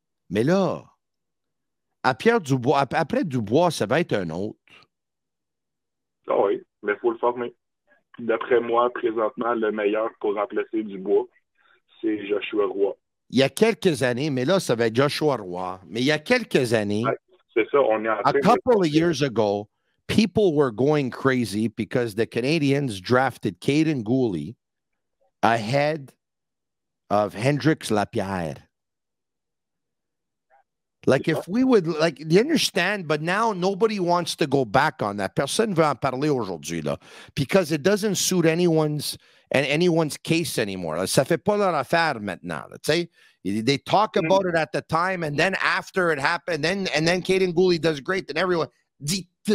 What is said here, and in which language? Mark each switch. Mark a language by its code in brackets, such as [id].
[fr] Mais là, à Pierre Dubois, après Dubois, ça va être un autre. Ah oui, mais il faut le former. D'après moi, présentement, le meilleur pour remplacer Dubois, c'est Joshua Roy. Il y a quelques années, mais là, ça va être Joshua Roy. Mais il y a quelques années, ouais, c'est ça, on est en [en] a couple of years ago, people were going crazy because the Canadiens drafted Caden Gooley ahead of Hendrix Lapierre. Like, if we would, like, you understand, but now nobody wants to go back on that. [fr] Personne ne veut en parler aujourd'hui, là. [en] Because it doesn't suit anyone's case anymore. [fr] Ça fait pas leur affaire maintenant, tu sais. [en] They talk about it at the time, and then after it happened, then Caden Gooley does great, then everyone, zit.